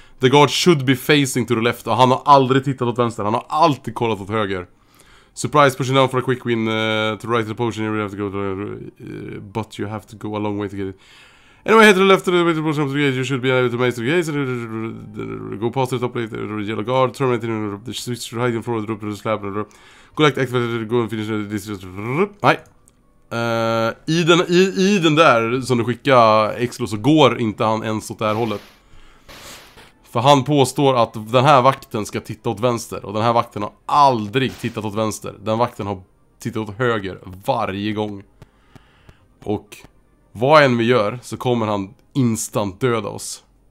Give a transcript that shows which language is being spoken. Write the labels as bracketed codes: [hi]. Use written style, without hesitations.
[en] The guard should be facing to the left, [sv] och han har aldrig tittat åt vänster, han har alltid kollat åt höger. [en] Surprise, pushing down for a quick win, to the right of the potion, you really have to go to the right, but you have to go a long way to get it. Anyway, head to the left of the right of the potion, to the gate, you should be able to make the gate, go past the top plate, yellow guard, terminate in the switch, hiding forward, drop the slab, collect, activate, go and finish the district, nej. [sv] I den där som du skickar Exlo, så går inte han ens åt det här hållet. För han påstår att den här vakten ska titta åt vänster, och den här vakten har aldrig tittat åt vänster. Den vakten har tittat åt höger varje gång. Och vad än vi gör så kommer han instant döda oss.